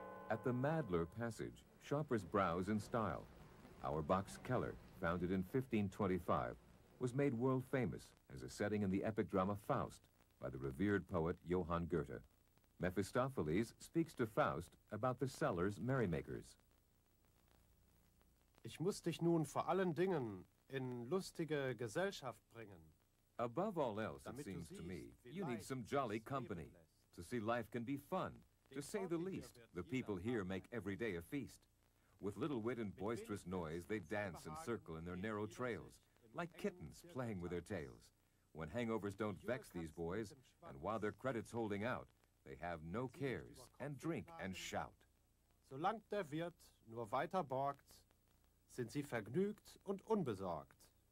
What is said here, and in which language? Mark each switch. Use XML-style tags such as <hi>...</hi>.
<en>At the Madler Passage, shoppers browse in style. Auerbach's Keller, founded in 1525, was made world famous as a setting in the epic drama Faust by the revered poet Johann Goethe. Mephistopheles speaks to Faust about the cellar's merrymakers.</en> <de>Ich muss dich nun vor allen Dingen in lustige Gesellschaft bringen.</de> <en>Above all else, it seems to me, you need some jolly company to see life can be fun. To say the least, the people here make every day a feast. With little wit and boisterous noise, they dance and circle in their narrow trails, like kittens playing with their tails. When hangovers don't vex these boys, and while their credit's holding out, they have no cares and drink and shout.</en> <de>Solang der Wirt nur weiter borgt, sind sie vergnügt und unbesorgt.</de>